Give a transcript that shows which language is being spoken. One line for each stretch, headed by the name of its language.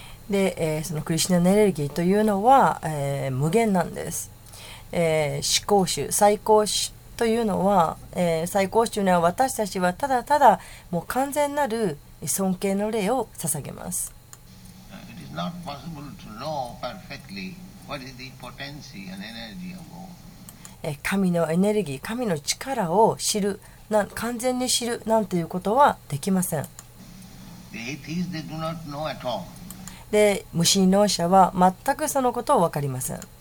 Japanese: で、そのクリシナのエネルギーというのは、無限なんです。至高種、最高種というのは、最高種には私たちはただただもう完全なる尊敬の礼を捧げます。
English: It is not possible to know perfectly what is the potency and energy of God.
Japanese: 神のエネルギー、神の力を知る、完全に知るなんていうことはできません。
English: The atheists, they do not know at all.
Japanese: で、無神論者は全くそのことを分かりません。